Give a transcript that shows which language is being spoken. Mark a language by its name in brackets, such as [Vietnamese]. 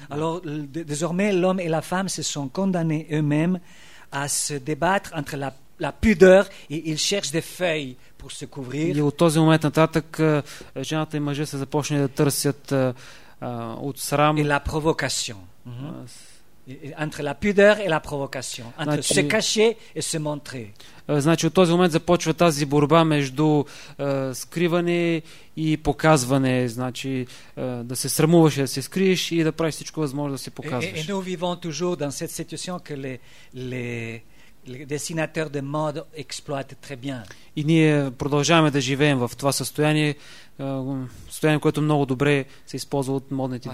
[French] Alors, désormais, l'homme et la femme se sont condamnés eux-mêmes à se débattre entre la, la pudeur et ils cherchent des feuilles. Pour se couvrir. [Bulgarian] И от този момент нататък жената и мъжа се започнали да търсят от срам. [French] Et la provocation. Mm-hmm. Entre la pudeur et la provocation. Entre значи, se cacher et se montrer. [Bulgarian] Значи от този момент започва тази борба между скриване и показване. Значи да се срамуваш, да се скриеш и да правиш всичко възможно да се показваш. [French] Et nous vivons toujours dans cette situation que les dessinateurs de mode exploitent très bien. [Bulgarian] И ние продължаваме да живеем в това състояние, състояние, което много добре се използва от модните voilà.